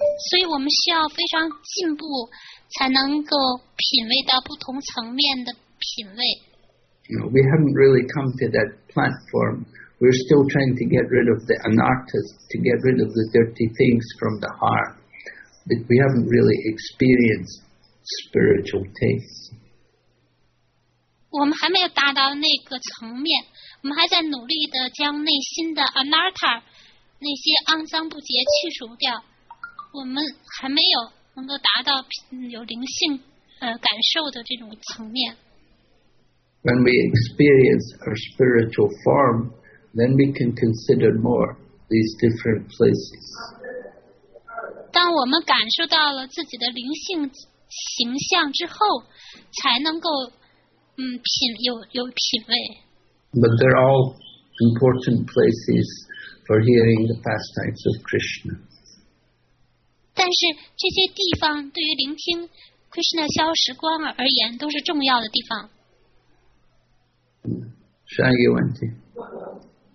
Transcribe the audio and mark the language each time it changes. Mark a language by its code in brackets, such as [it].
[zh] 所以我们需要非常进步，才能够品味到不同层面的品味。 [en] No, we haven't really come to that platform. We're still trying to get rid of the anarthas, to get rid of the dirty things from the heart. But we haven't really experienced spiritual tastes. [zh] 我们还没有达到那个层面，我们还在努力地将内心的 anatta 那些肮脏不洁去除掉，我们还没有能够达到有灵性感受的这种层面。 [en] When we experience our spiritual form, then we can consider more these different places. [zh] 当我们感受到了自己的灵性形象之后，才能够有品味。 [en] But they're all important places for hearing the pastimes of Krishna. [zh] 但是这些地方对于聆听 Krishna 消时光而言都是重要的地方。下一个问题。